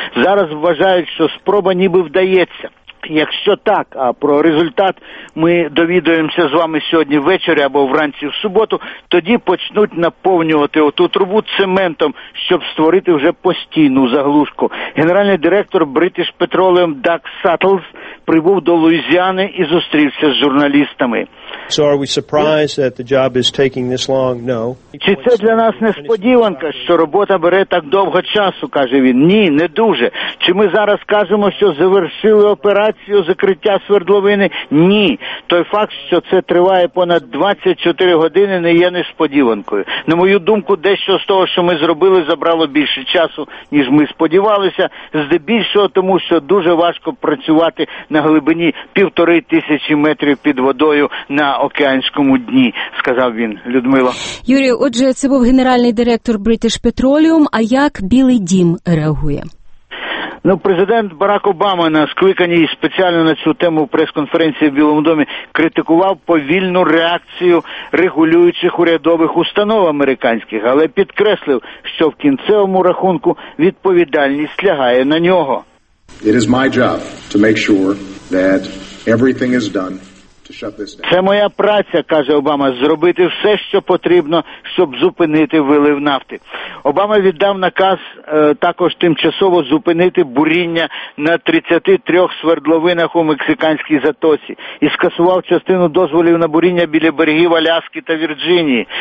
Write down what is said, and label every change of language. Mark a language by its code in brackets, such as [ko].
[uk] Зараз вважають, що спроба ніби вдається. Якщо так, а про результат ми довідуємося з вами сьогодні ввечері або вранці в суботу, тоді почнуть наповнювати оту трубу цементом, щоб створити вже постійну заглушку. Генеральний директор British Petroleum Дак Саттлз прибув до Луїзіани і зустрівся з журналістами. [en] So are we surprised that the job is taking this long? No. [uk] Чи це для нас несподіванка, що робота бере так довго часу, каже він. Ні, не дуже. Чи ми зараз кажемо, що завершили операцію закриття свердловини? Ні. Той факт, що це триває понад 24 години, не є несподіванкою. На мою думку, дещо з того, що ми зробили, забрало більше часу, ніж ми сподівалися. Здебільшого тому, що дуже важко працювати на глибині 1500 метрів під водою на океанському дні, сказав він. Людмила. Юрію, отже, це був генеральний директор British Petroleum, а як Білий Дім реагує? Ну, президент Барак Обама на скликаній спеціально на цю тему прес-конференції в Білому домі критикував повільну реакцію регулюючих урядових установ американських, але підкреслив, що в кінцевому рахунку відповідальність лягає на нього. [en] It is my job to make sure that everything is done. [uk] Це моя праця, каже Обама, зробити все, що потрібно, щоб зупинити вилив нафти. Обама віддав наказ також тимчасово зупинити буріння на 33 свердловинах у Мексиканській затоці і скасував частину дозволів на буріння біля берегів Аляски та Вірджинії.